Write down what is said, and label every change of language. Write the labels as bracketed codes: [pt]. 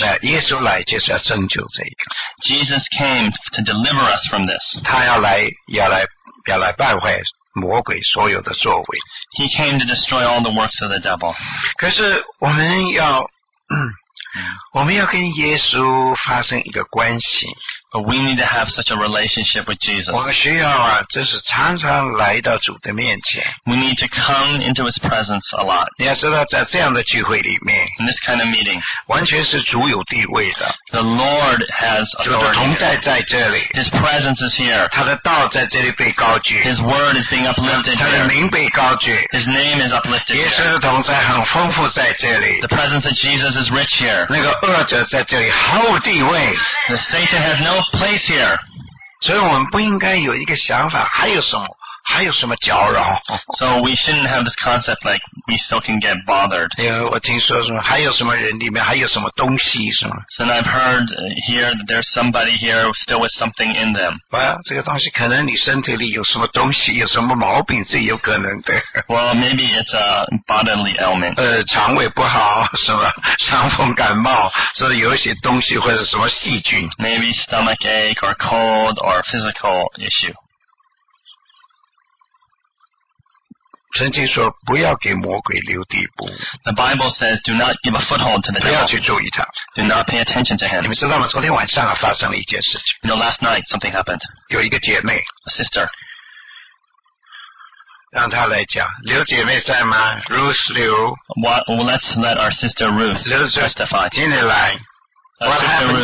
[zh] 那耶稣来就是要拯救这个。 [en] Jesus came to deliver us from this. [zh] 他要来败坏魔鬼所有的作为。 [en] He came to destroy all the works of the devil. [zh] 可是我们要跟耶稣发生一个关系。 [en] But we need to have such a relationship with Jesus. [zh] 我们需要啊，就是常常来到主的面前。 [en] We need to come into His presence a lot. [zh] 你要知道，在这样的聚会里面 [en] ，in this kind of meeting， [zh] 完全是主有地位的。 [en] The Lord has authority. [zh] 主的同在在这里。 [en] His presence is here. [zh] 他的道在这里被高举。 [en] His word is being uplifted. [zh] 他的名被高举。 [en] His name is uplifted. [zh] 耶稣的同在很丰富在这里。 [en] The presence of Jesus is rich here. [zh] 那个恶者在这里毫无地位。 [en] The Satan has no place here. [zh] 所以我们不应该有一个想法，还有什么还有什么搅扰 [en] ？So we shouldn't have this concept like we still can get bothered. [zh] 因为我听说什么，还有什么人里面还有什么东西是吗 [en] ？So I've heard here that there's somebody here still with something in them. [zh] 啊，这个东西可能你身体里有什么东西，有什么毛病，这有可能的。 [en] Well, maybe it's a bodily ailment. [zh] 肠胃不好是吧？伤风感冒，所以有一些东西或者什么细菌。 [en] Maybe stomach ache or cold or physical issue. [zh] 圣经说不要给魔鬼留地步。 [en] The Bible says, do not give a foothold to the devil. [zh] 不要去注意他。 [en] Do not pay attention to him. [zh] 你们知道吗？昨天晚上啊，发生了一件事情。 [en] You know, last night something happened. [zh] 有一个姐妹 [en] ，a sister， [zh] 让她来讲。刘姐妹在吗 ？Ruth Liu. [en] What? Well, let's let our sister Ruth testify. [zh] 进来。 [en] What happened、